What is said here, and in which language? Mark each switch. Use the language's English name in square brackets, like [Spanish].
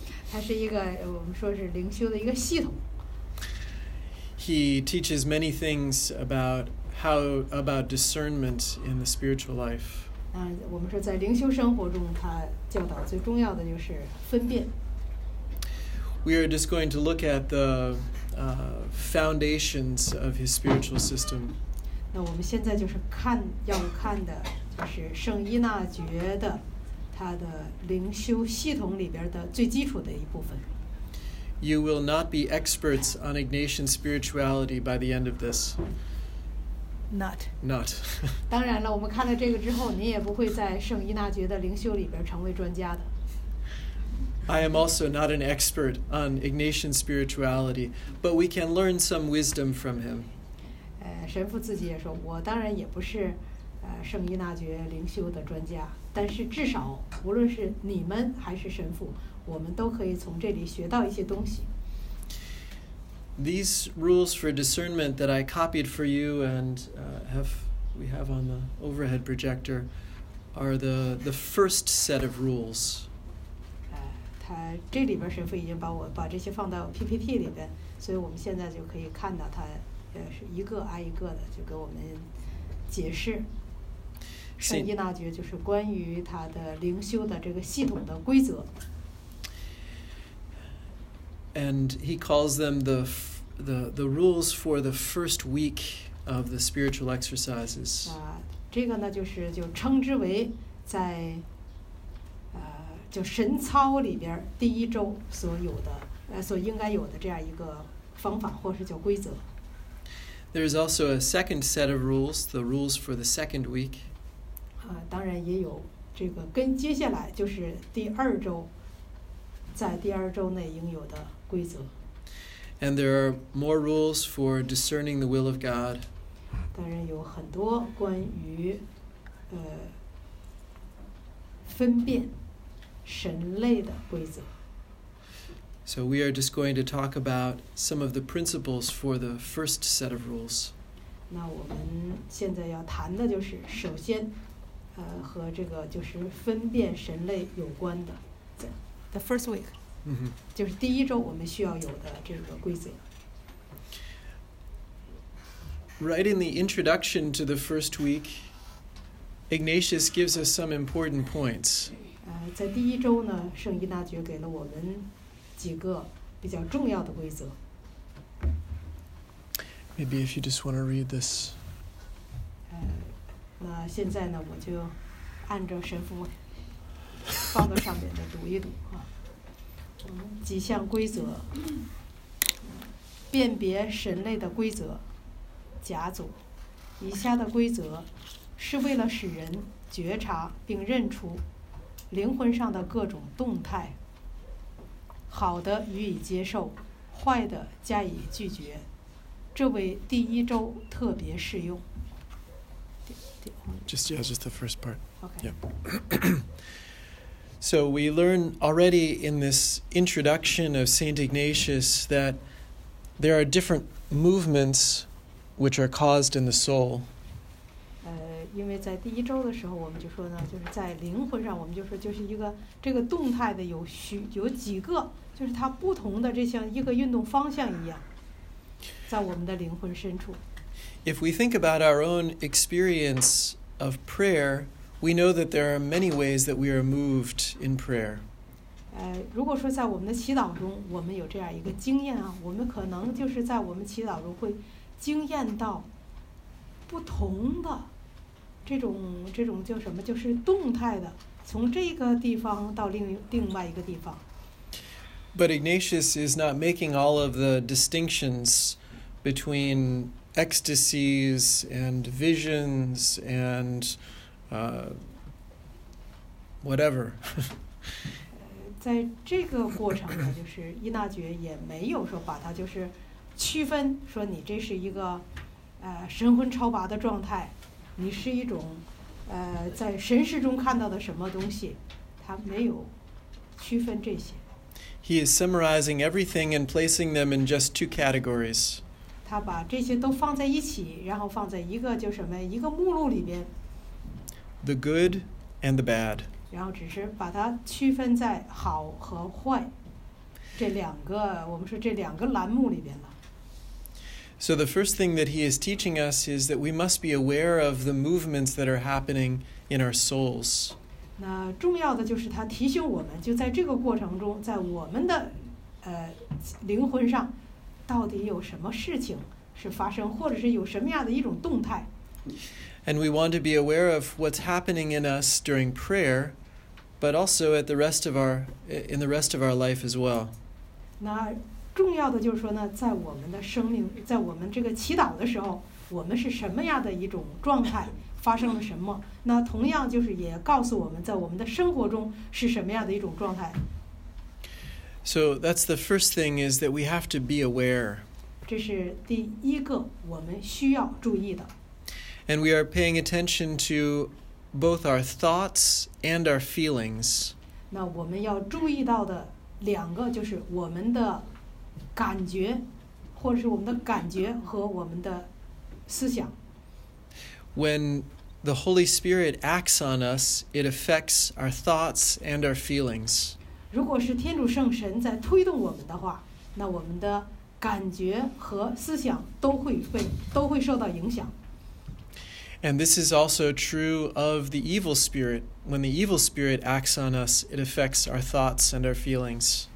[Chinese] 它是一个我们说是灵修的一个系统。 [English] He teaches many things about discernment in the spiritual life. [Chinese] 我们说在灵修生活中，他教导最重要的就是分辨。 [English] We are just going to look at the foundations of his spiritual system. [Chinese] 那我们现在就是看要看的就是圣依纳爵的他的灵修系统里边的最基础的一部分。 [English] You will not be experts on Ignatian spirituality by the end of this. Not. [Chinese] 当然了，我们看了这个之后，您也不会在圣依纳爵的灵修里边成为专家的。 [English] I am also not an expert on Ignatian spirituality, but we can learn some wisdom from him. [Chinese] 神父自己也说，我当然也不是圣依纳爵灵修的专家，但是至少无论是你们还是神父，我们都可以从这里学到一些东西。 [English] These rules for discernment that I copied for you and we have on the overhead projector are the first set of rules. [Chinese] 他这里边神父已经把这些放到 PPT 里边，所以我们现在就可以看到他是一个挨一个的就给我们解释。圣依纳爵就是关于他的灵修的这个系统的规则。 [English] And he calls them the rules for the first week of the spiritual exercises. [Chinese] 这个呢就是就称之为在就神操里边第一周所有的所应该有的这样一个方法或是叫规则。 [English] There is also a second set of rules, the rules for the second week. [Chinese] 当然也有这个跟接下来就是第二周在第二周内应有的规则。 [English] And there are more rules for discerning the will of God. [Chinese] 当然有很多关于分辨神类的规则。 [English] So we are just going to talk about some of the principles for the first set of rules. [Chinese] 那我们现在要谈的就是首先和这个就是分辨神类有关的 [English] The first week、 mm-hmm. [Chinese] 就是第一周我们需要有的这个规则 [English] Right in the introduction to the first week Ignatius gives us some important points [Chinese] 在第一周呢圣依纳爵给了我们几个比较重要的规则 [English] Maybe if you just want to read this [Chinese] 那现在呢，我就按照神父放到上面的读一读啊。几项规则，辨别神类的规则，甲组。以下的规则是为了使人觉察并认出灵魂上的各种动态，好的予以接受，坏的加以拒绝。这为第一周特别适用。 [English] Just the first part. Okay. Yeah. So we learn already in this introduction of Saint Ignatius that there are different movements which are caused in the soul. [Chinese] 因为在第一周的时候我们就说呢就是在灵魂上我们就说就是一个这个动态的有几个就是它不同的这像一个运动方向一样在我们的灵魂深处 [English] If we think about our own experience of prayer we know that there are many ways that we are moved in prayer [Chinese] 如果说在我们的祈祷中我们有这样一个经验啊我们可能就是在我们祈祷中会经验到不同的这种叫什么？就是动态的，从这个地方到另外一个地方。 [English] But Ignatius is not making all of the distinctions between ecstasies and visions and whatever. [Chinese] 在这个过程呢，就是伊纳爵也没有说把它就是区分，说你这是一个神魂超拔的状态。你是一种在神识中看到的什么东西他没有区分这些 [English] He is summarizing everything and placing them in just two categories [Chinese] 他把这些都放在一起然后放在一个就什么一个目录里边 [English] The good and the bad [Chinese] 然后只是把它区分在好和坏这两个我们说这两个栏目里边了 [English] So the first thing that he is teaching us is that we must be aware of the movements that are happening in our souls. [Chinese] 那重要的就是他提醒我们，就在这个过程中，在我们的灵魂上，到底有什么事情是发生，或者是有什么样的一种动态。 [English] And we want to be aware of what's happening in us during prayer, but also at the rest of our in the rest of our life as well. [Chinese] 那重要的就是说呢，在我们的生命，在我们这个祈祷的时候，我们是什么样的一种状态，发生了什么？那同样就是也告诉我们在我们的生活中是什么样的一种状态。 [English] So that's the first thing is that we have to be aware. [Chinese] 这是第一个我们需要注意的。 [English] And we are paying attention to both our thoughts and our feelings. [Chinese] 那我们要注意到的两个就是我们的感觉，或者是我们的感觉和我们的思想。 [English] When the Holy Spirit acts on us, it affects our thoughts and our feelings. [Chinese] 如果是天主圣神在推动我们的话，那我们的感觉和思想都会受到影响。 [English] And this is also true of the evil spirit. When the evil spirit acts on us, it affects our thoughts and our feelings.